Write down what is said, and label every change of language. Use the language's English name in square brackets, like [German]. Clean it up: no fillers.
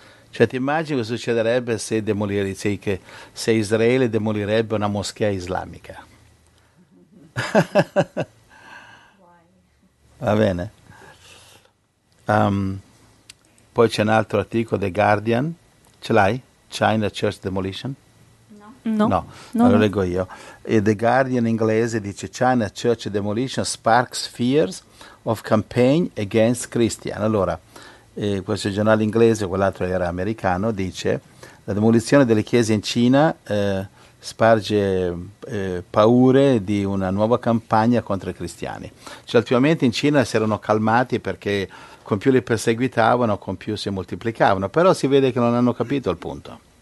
[Italian] Cioè, ti immagini cosa succederebbe se Israele demolirebbe una moschea islamica? Va bene. Poi c'è un altro articolo, The Guardian. Ce l'hai? [English] China Church Demolition? [Italian] No, No, no, no. allora lo leggo io. E The Guardian inglese dice: China Church Demolition sparks fears of campaign against Christian. Allora, questo giornale inglese, quell'altro era americano, dice: la demolizione delle chiese in Cina sparge paure di una nuova campagna contro i cristiani. Cioè, ultimamente in Cina si erano calmati perché con più li perseguitavano, con più si moltiplicavano, però si vede che non hanno capito il punto.